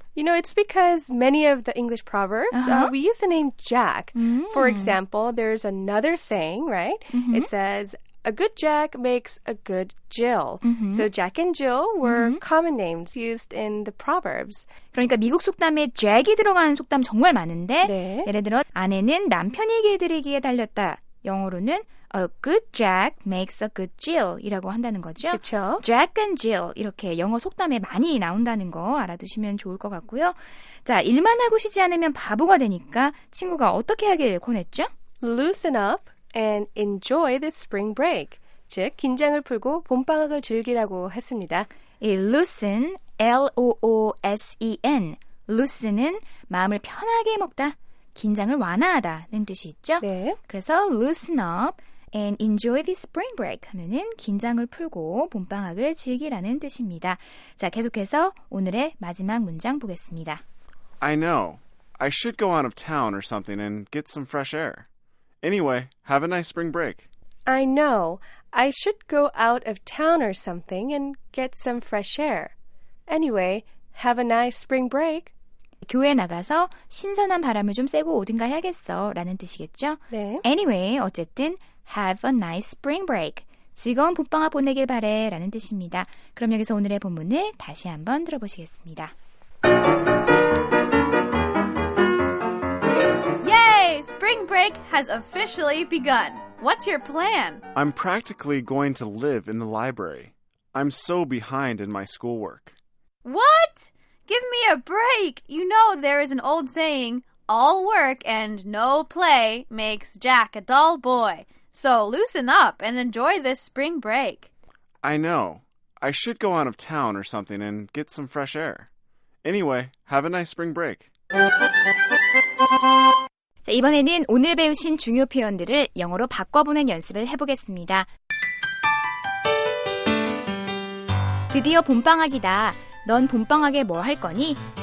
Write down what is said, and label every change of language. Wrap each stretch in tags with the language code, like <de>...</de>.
<en>You know, it's because many of the English proverbs, we use the name Jack. For example, there's another saying, right? It says, A good Jack makes a good Jill. So Jack and Jill were common names used in the Proverbs.</en> <ko>그러니까 미국 속담에 Jack이 들어간 속담 정말 많은데 네. 예를 들어 아내는 남편이 길들이기에 달렸다. 영어로는</ko> <en>A good Jack makes a good Jill</en> <ko>이라고 한다는 거죠. 그쵸? Jack and Jill 이렇게 영어 속담에 많이 나온다는 거 알아두시면 좋을 것 같고요. 자, 일만 하고 쉬지 않으면 바보가 되니까 친구가 어떻게 하길 권했죠?</ko> <en>Loosen up. And enjoy the spring break.</en> <ko>즉, 긴장을 풀고 봄방학을 즐기라고 했습니다. 이 loosen, L-O-O-S-E-N. loosen은 마음을 편하게 먹다, 긴장을 완화하다는 뜻이 있죠. 네. 그래서</ko> <en>loosen up and enjoy the spring break</en> <ko>하면은 긴장을 풀고 봄방학을 즐기라는 뜻입니다. 자, 계속해서 오늘의 마지막 문장 보겠습니다.</ko> <en>I know. I should go out of town or something and get some fresh air. Anyway, have a nice spring break. I know. I should go out of town or something and get some fresh air. Anyway, have a nice spring break.</en> <ko>교회 나가서 신선한 바람을 좀 쐬고 오든가 해야겠어 라는 뜻이겠죠? 네.</ko> <en>Anyway,</en> <ko>어쨌든</ko> <en>have a nice spring break.</en> <ko>즐거운 봄방학 보내길 바래 라는 뜻입니다. 그럼 여기서 오늘의 본문을 다시 한번 들어보시겠습니다.</ko> <en>Spring break has officially begun. What's your plan? I'm practically going to live in the library. I'm so behind in my schoolwork. What? Give me a break! You know there is an old saying, all work and no play makes Jack a dull boy. So loosen up and enjoy this spring break. I know. I should go out of town or something and get some fresh air. Anyway, have a nice spring break.</en> <ko>이번에는 오늘 배우신 중요 표현들을 영어로 바꿔보는 연습을 해보겠습니다. 드디어 봄방학이다. 넌 봄방학에 뭐 할 거니?</ko>